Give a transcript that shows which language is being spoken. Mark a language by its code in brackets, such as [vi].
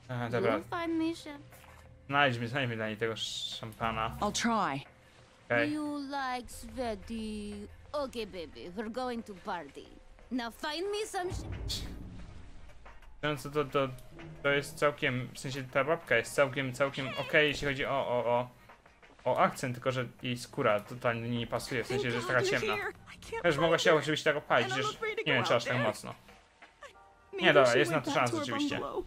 [pl] Dobra. Znajdźmy dla niej tego szampana. [en] You like sweaty? Okay, baby, we're going to party. Now find me some shit. [pl] To jest całkiem, w sensie ta babka jest całkiem okej, jeśli chodzi o akcent, tylko że jej skóra totalnie nie pasuje, w sensie, że jest taka ciemna. Też mogła się oczywiście tak opalić, że nie wiem, czy aż tak mocno. Nie, dobra, jest na to szansa oczywiście.